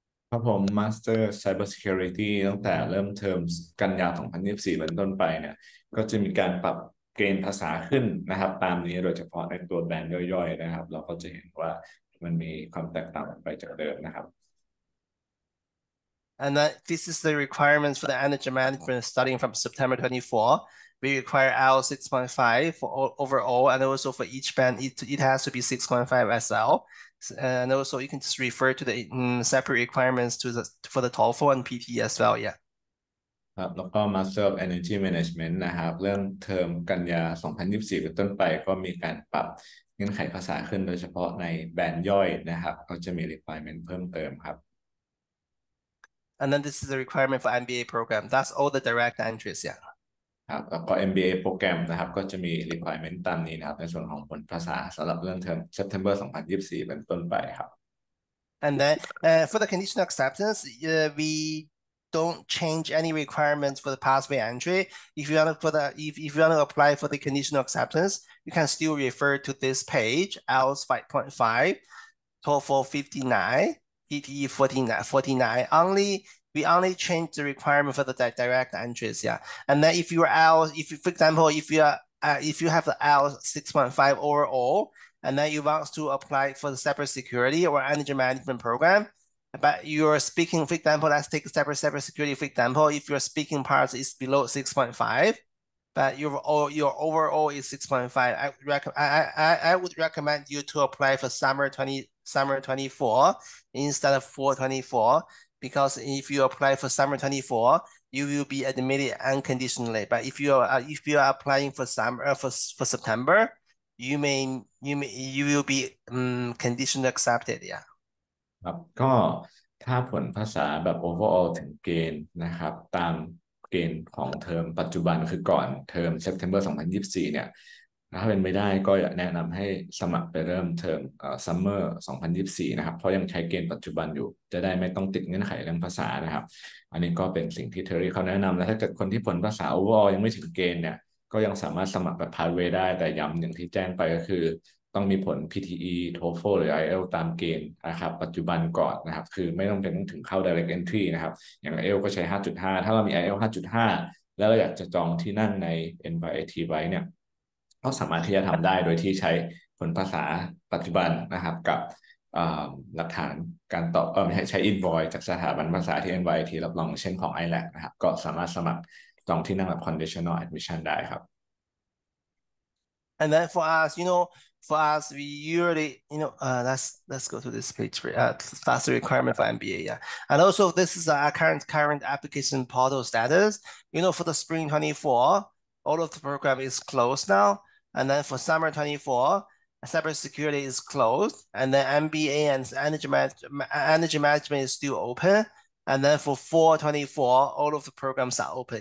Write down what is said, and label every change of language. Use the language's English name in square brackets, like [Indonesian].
[Thai] ครับผม Master Cybersecurity ตั้งแต่เริ่มเทอมกันยา2024เป็นต้นไปเนี่ยก็จะมีการปรับเกณฑ์ภาษาขึ้นนะครับตามนี้โดยเฉพาะในตัวแบรนด์ย่อยๆนะครับเราก็จะเห็นว่ามันมีความแตกต่างไปจากเดิมนะครับ [English] And that this is the requirements for the energy management starting from September 24. We require L 6.5 for overall, and also for each band, it has to be 6.5 SL. And also, you can just refer to the separate requirements for the TOEFL and PTE as well. Yeah. [Thai] ครับแล้วก็ Master of Energy Management นะครับเริ่มเทอมกันยา2024เป็นต้นไปก็มีการปรับเงื่อนไขภาษาขึ้นโดยเฉพาะในแบรนด์ย่อยนะครับก็จะมี requirement เพิ่มเติมครับ [English] And then this is the requirement for MBA program. That's all the direct entries. Yeah. [Thai] ครับแล้วก็ MBA โปรแกรมนะครับก็จะมี requirement ตามนี้นะครับในส่วนของผลภาษาสำหรับเริ่มเทอม September 2024เป็นต้นไปครับ [English] And then for the conditional acceptance, we don't change any requirements for the pathway entry. If you want to apply for the conditional acceptance, you can still refer to this page, IELTS 5.5, TOEFL 59, PTE 49. We only change the requirement for the direct entries, yeah. And then if you are out, if you, for example, if you are if you have the out 6.5 overall, and then you want to apply for the cybersecurity or energy management program, but you're speaking, for example, let's take cybersecurity, for example, if your speaking part is below 6.5, but your overall is 6.5, I would recommend you to apply for summer 24 instead of fall 24. Because if you apply for summer 24, you will be admitted unconditionally. But if you are applying for summer for September, you will be conditionally accepted. Yeah. [Thai] ก็ถ้าผลภาษาแบบ overall ถึงเกณฑ์นะครับตามเกณฑ์ของเทอมปัจจุบันคือก่อนเทอม September 2024เนี่ยถ้าเป็นไม่ได้ก็อยากแนะนำให้สมัครไปเริ่มเทอมซัมเมอร์2024นะครับเพราะยังใช้เกณฑ์ปัจจุบันอยู่จะได้ไม่ต้องติดเงื่อนไขเรื่องภาษานะครับอันนี้ก็เป็นสิ่งที่เทอรี่เขาแนะนำและถ้าเกิดคนที่ผลภาษาโอเวอร์ยังไม่ถึงเกณฑ์เนี่ยก็ยังสามารถสมัครแบบพาสเวย์ได้แต่ย้ำอย่างที่แจ้งไปก็คือ ต้องมีผล PTE TOEFL หรือ IELTS ตามเกณฑ์นะครับปัจจุบันก่อนนะครับคือไม่ต้องเป็นต้องถึงเข้า direct entry นะครับอย่าง IELTS ก็ใช้ 5.5 ถ้าเรามี IELTS 5.5 แล้วเราอยากจะจองที่นั่งใน NYIT ไว้เนี่ยก็สามารถที่จะทำได้โดยที่ใช้ผลภาษาปัจจุบันนะครับกับหลักฐานการตอบใช้อินวอยซ์จากสถาบันภาษาที่ NYIT รับรองเช่นของ ILAC นะครับก็สามารถสมัครจองที่นั่งแบบ conditional admission ได้ครับ [English] and then for us we usually let's go to this page that's the requirement for MBA yeah and also this is our current application portal status for the spring 24All of the program is closed now, and then for summer 24, cybersecurity is closed, and then MBA and energy management is still open, and then for fall 24, all of the programs are open.